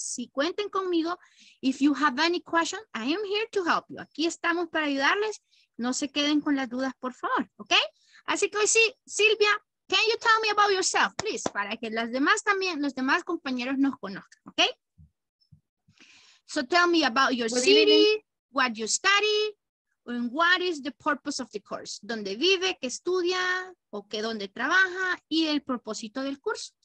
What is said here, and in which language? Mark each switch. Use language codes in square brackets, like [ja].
[es] Si cuenten conmigo, [en] if you have any question, I am here to help you. [es] Aquí estamos para ayudarles. No se queden con las dudas, por favor. Okay? Así que hoy sí, Silvia, [en] can you tell me about yourself, please? [es] Para que las demás también, los demás compañeros nos conozcan. [en] Okay? So tell me about your city, what you study, and what is the purpose of the course. [es] ¿Dónde vive, qué estudia, o qué dónde trabaja, y el propósito del curso.